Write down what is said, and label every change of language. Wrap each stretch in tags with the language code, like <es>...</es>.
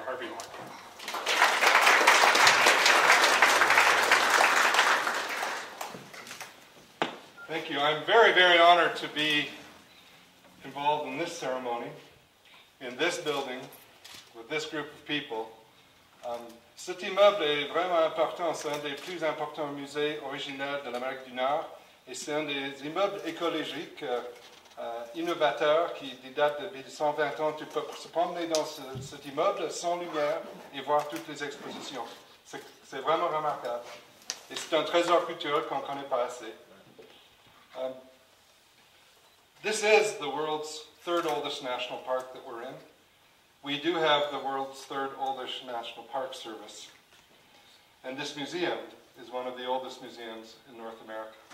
<en>Harvey Locke. Thank you. I'm very, very honored to be involved in this ceremony, in this building, with this group of people.</en> <fr>Cet immeuble est vraiment important. C'est un des plus importants musées originaires de l'Amérique du Nord. Et c'est un des immeubles écologiques innovateurs qui date de 120 ans. Tu peux se promener dans cet immeuble sans lumière et voir toutes les expositions. C'est vraiment remarquable. Et c'est un trésor culturel qu'on ne connaît pas assez.</fr> <en>This is the world's third oldest national park that we're in. We do have the world's third oldest national park service. And this museum is one of the oldest museums in North America.</en>